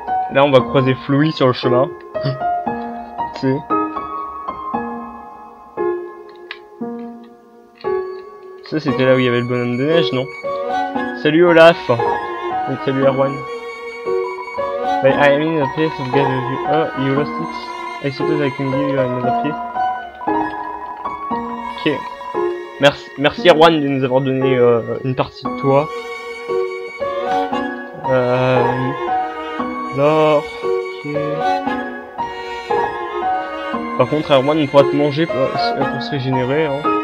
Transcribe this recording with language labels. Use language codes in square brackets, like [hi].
[fr] Là on va croiser Flouy sur le chemin. C'est... Ça, c'était là où il y avait le bonhomme de neige, non? Salut Olaf! Et salut Erwan! [en] But I am in the place of getting you. Oh, you lost it? I suppose I can give you another piece. Ok. [fr] Merci Erwan de nous avoir donné une partie de toi. Alors. Ok. Par contre, Erwan, on pourra te manger pour se régénérer, hein.